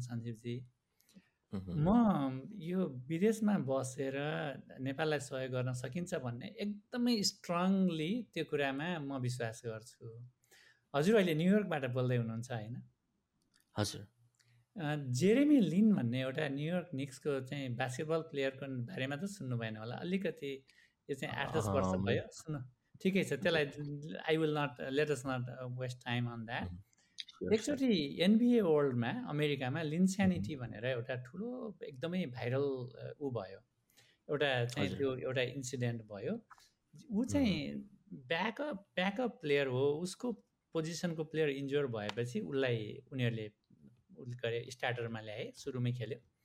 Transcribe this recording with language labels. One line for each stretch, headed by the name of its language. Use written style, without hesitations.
Nepali: सञ्जीवजी, म यो विदेशमा बसेर नेपाललाई सहयोग गर्न सकिन्छ भन्ने एकदमै स्ट्रङली त्यो कुरामा म विश्वास गर्छु। हजुर अहिले न्युयोर्कबाट बोल्दै हुनुहुन्छ होइन? हजुर। जेरेमी लिन भन्ने एउटा न्युयोर्क निक्सको चाहिँ बास्केटबल प्लेयरको बारेमा त सुन्नु भएन होला, अलिकति यो चाहिँ 8-10 वर्ष भयो। सुन्नु ठिकै छ, त्यसलाई
English: I will not let us not waste time on that.
Nepali: एकचोटि एनबिए वर्ल्डमा अमेरिकामा लिन्स्यानिटी भनेर एउटा ठुलो एकदमै भाइरल ऊ भयो, एउटा चाहिँ त्यो एउटा इन्सिडेन्ट भयो। ऊ चाहिँ ब्याकअप प्लेयर हो, उसको पोजिसनको प्लेयर इन्जोर भएपछि उसलाई उनीहरूले उल गरे, स्टार्टरमा ल्याए, सुरुमै खेल्यो।